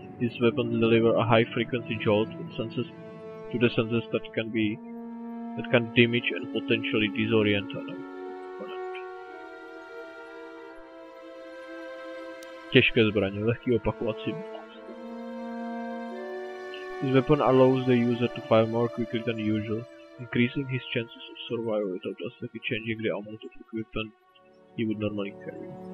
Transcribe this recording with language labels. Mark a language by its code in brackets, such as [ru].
[en] This weapon deliver a high frequency jolt senses to the senses that can be that can damage and potentially disorient an opponent. [cs] Těžké zbraně, lehký opakovací blast. [en] This weapon allows the user to fire more quickly than usual, increasing his chances of survival without drastically changing the amount of equipment he would normally carry.